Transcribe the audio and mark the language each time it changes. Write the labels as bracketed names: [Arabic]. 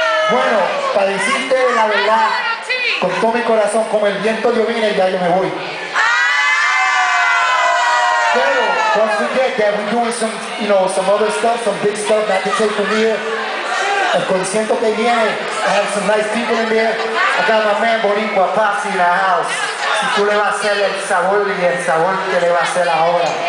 [Spanish] Bueno, para decirte la verdad, con todo mi corazón, como el viento yo vine y ya yo me voy. Pero, [English] don't forget that we're doing some, you know, some other stuff, some big stuff, not to take from here. [Spanish] El concierto que viene, [English] I have some nice people in there. I got my man Boricua Posse in the house. [Spanish] Tú le vas a hacer el sabor y el sabor que le va a hacer ahora.